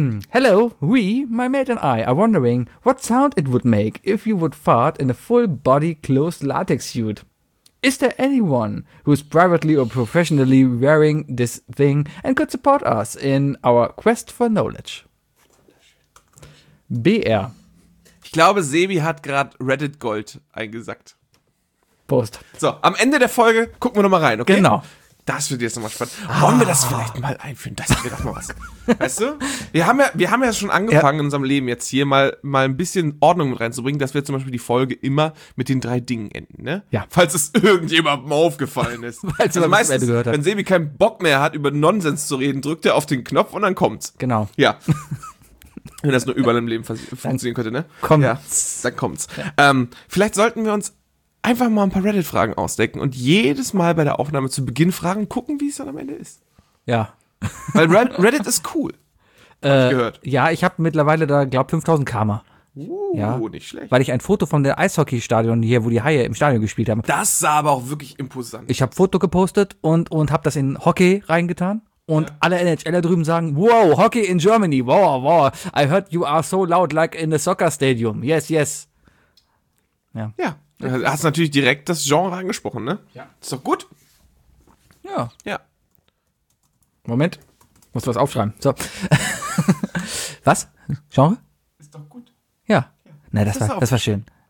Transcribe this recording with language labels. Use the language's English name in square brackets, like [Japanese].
[English] Hello, we, my mate and I, are wondering what sound it would make if you would fart in a full-body closed latex suit. Is there anyone who's privately or professionally wearing this thing and could support us in our quest for knowledge? BR. [German] Ich glaube, Sebi hat gerade Reddit Gold eingesackt. Post. So, am Ende der Folge gucken wir nochmal rein, okay? Genau. Das wird jetzt nochmal spannend. Ah. Wollen wir das vielleicht mal einführen? Das wird doch mal was. Weißt du? Wir haben ja schon angefangen, ja, in unserem Leben jetzt hier mal ein bisschen Ordnung mit reinzubringen, dass wir zum Beispiel die Folge immer mit den drei Dingen enden, ne? Ja. Falls es irgendjemandem aufgefallen ist. Falls also meistens, gehört hat. Wenn Sebi keinen Bock mehr hat, über Nonsens zu reden, drückt er auf den Knopf und dann kommt's. Genau. Ja. Wenn das nur überall im Leben funktionieren könnte, ne? Kommt's. Ja, dann kommt's. Ja. Vielleicht sollten wir uns einfach mal ein paar Reddit-Fragen ausdecken und jedes Mal bei der Aufnahme zu Beginn fragen, gucken, wie es dann am Ende ist. Ja. Weil Reddit ist cool. Hab ich gehört. Ja, ich habe mittlerweile da, glaub, 5000 Karma. Ja, nicht schlecht. Weil ich ein Foto von dem Eishockeystadion hier, wo die Haie im Stadion gespielt haben. Das sah aber auch wirklich imposant. Ich habe Foto gepostet und habe das in Hockey reingetan. Und alle NHLer drüben sagen, [English] wow, Hockey in Germany, wow, wow. I heard you are so loud like in the soccer stadium. Yes, yes. [German] Ja. Ja, du hast natürlich direkt das Genre angesprochen, ne? Ja. Ist doch gut. Ja. Ja. Moment, muss was aufschreiben. So. Was? Genre? Ist doch gut. Ja. Nein, das war schön.